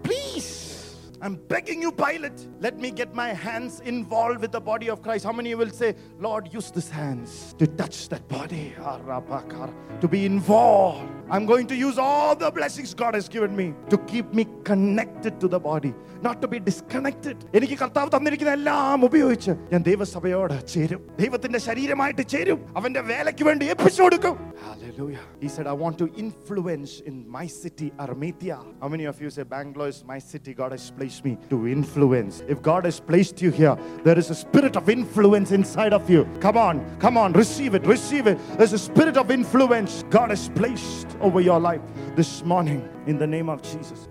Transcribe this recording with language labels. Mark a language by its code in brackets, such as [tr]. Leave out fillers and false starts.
[en] Please, I'm begging you, Pilate, let me get my hands involved with the body of Christ. How many will say, Lord, use these hands to touch that body, to be involved. I'm going to use all the blessings God has given me to keep me connected to the body, not to be disconnected. [ml] എനിക്ക് കർത്താവ് തന്നിരിക്കുന്ന എല്ലാം ഉപയോഗിച്ച് ഞാൻ ദൈവസഭയോട് ചേരും, ദൈവത്തിന്റെ ശരീരമായിട്ട് ചേരും, അവന്റെ വേലയ്ക്ക് വേണ്ടി ഏൽപ്പിച്ചുകൊടുക്കും. [en] Hallelujah. He said, I want to influence in my city, Armenia. How many of you say, Bangalore is my city, God has placed me to influence. If God has placed you here, there is a spirit of influence inside of you. Come on, come on, receive it, receive it. There's a spirit of influence God has placed over your life this morning in the name of Jesus.